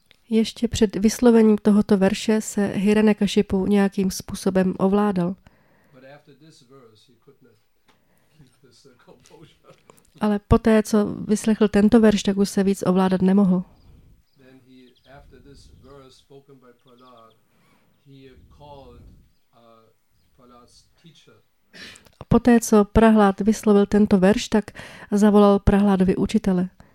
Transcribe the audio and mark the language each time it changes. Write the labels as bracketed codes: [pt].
[cs] Ještě před vyslovením tohoto verše se Hiranyakashipu nějakým způsobem ovládal. [en] But after this verse, he could not keep his composure. [cs] Ale poté, co vyslechl tento verš, tak už se víc ovládat nemohl. [en] Then he, after this verse spoken by Prahlad, he called Prahlad's teacher. [cs] Poté, co Prahlád vyslovil tento verš, tak zavolal Prahládovi učitele.